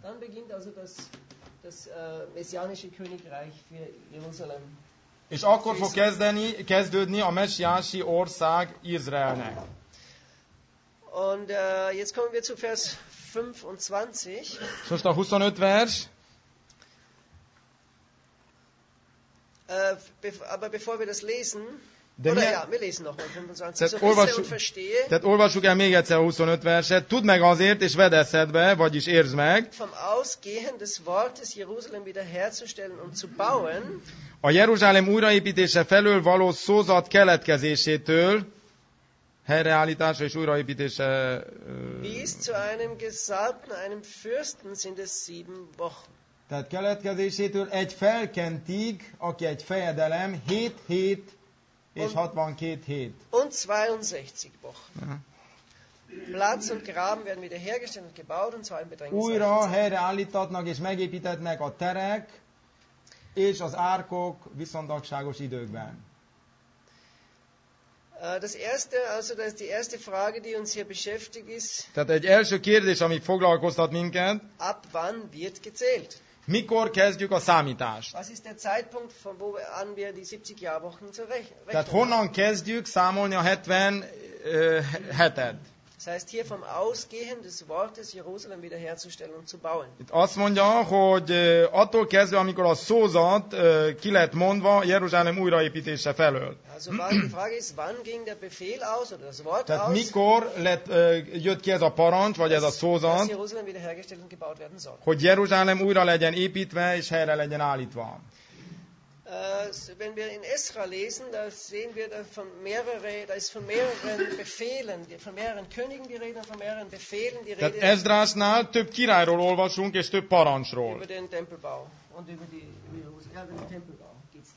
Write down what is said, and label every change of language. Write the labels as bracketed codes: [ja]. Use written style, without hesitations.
[de] Dann beginnt also das messianische Königreich für Jerusalem [hu] És akkor fog kezdődni a messiási ország Izraelnek. [de] Und jetzt kommen wir zu Vers 25. So ist der 25. Vers. Aber bevor wir das lesen, wir lesen nochmal 25. So wisse und verstehe. [hu] Tehát olvassuk el még egyszer 25 verset. Tudd meg azért, és vedd eszedbe, vagyis értsd meg. [de] Vom Ausgehen des Wortes Jerusalem wiederherzustellen und zu bauen. [hu] A Jeruzsálem újraépítése felől való szózat keletkezésétől, helyreállítása és újraépítése. [de] Bis zu einem Gesalbten, einem Fürsten sind es sieben Wochen. [hu] Tehát keletkezésétől egy felkentig, aki egy fejedelem, 7 hét és 62 hét. [de] Und 62 Wochen. Platz und Graben werden wiederhergestellt und gebaut und zwar in bedrängten Zeiten. [hu] Újra helyreállítatnak és megépítetnek a terek és az árkok viszontagságos időkben. [de] Das erste, also das ist die erste Frage, die uns hier beschäftigt ist. [hu] Tehát egy első kérdés, ami foglalkoztat minket. [de] Ab wann wird gezählt? [hu] Mikor kezdjük a számítást? [de] Was ist der Zeitpunkt, von wo an wir die 70 Jahrwochen zu rechnen? [hu] Tehát honnan kezdjük számolni a 70 hetet? [de] Das heißt hier vom Ausgehen des Wortes Jerusalem wiederherzustellen und zu bauen. [hu] Itt azt mondja, hogy attól kezdve, amikor a szózat ki lett mondva Jeruzsálem újraépítése felől. [de] Also die Frage ist, wann ging der Befehl aus oder das Wort [hu] tehát [de] aus? [hu] Mikor lett jött ki ez a parancs vagy ez a szózat? [de] Dass Jerusalem wiederhergestellt und gebaut werden soll. [hu] Hogy Jeruzsálem újra legyen építve és helyre legyen állítva. [de] Wenn wir in Esra lesen, da sehen wir da ist von mehreren Befehlen, von mehreren Königen die Rede, von mehreren Befehlen die Rede. [hu] Esdrásnál több királyról olvasunk és több parancsról. [de] Über den Tempelbau und über den Tempelbau geht's